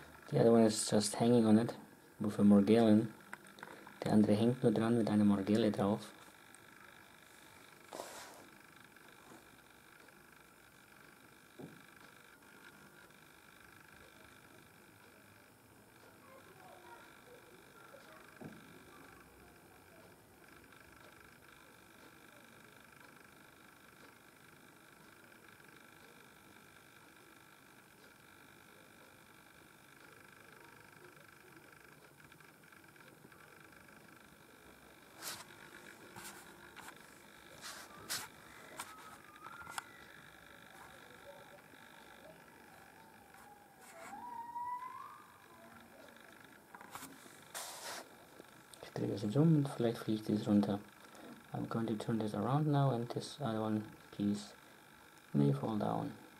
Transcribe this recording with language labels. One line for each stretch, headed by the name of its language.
English: The other one is just hanging on it with a Morgellon.
German: Der andere hängt nur dran mit einer Morgelle drauf. drehe es jetzt um und vielleicht fliegt es runter.
English: I'm going to turn this around now and this other one piece may fall down.